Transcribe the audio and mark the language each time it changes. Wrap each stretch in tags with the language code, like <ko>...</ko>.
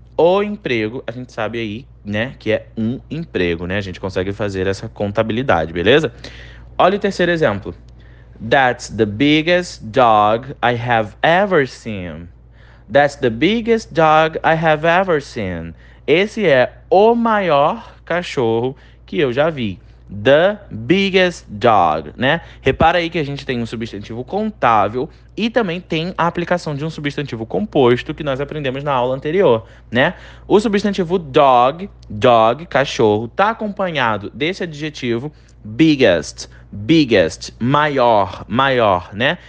<pt>O emprego, a gente sabe aí, né, que é um emprego, né? A gente consegue fazer essa contabilidade, beleza? Olha o terceiro exemplo.</pt> <en>That's the biggest dog I have ever seen. That's the biggest dog I have ever seen.</en> <pt>Esse é o maior cachorro que eu já vi.</pt> <en>The biggest dog,</en> <pt>né? Repara aí que a gente tem um substantivo contável e também tem a aplicação de um substantivo composto que nós aprendemos na aula anterior, né? O substantivo dog, cachorro, tá acompanhado desse adjetivo biggest, maior, né?</pt>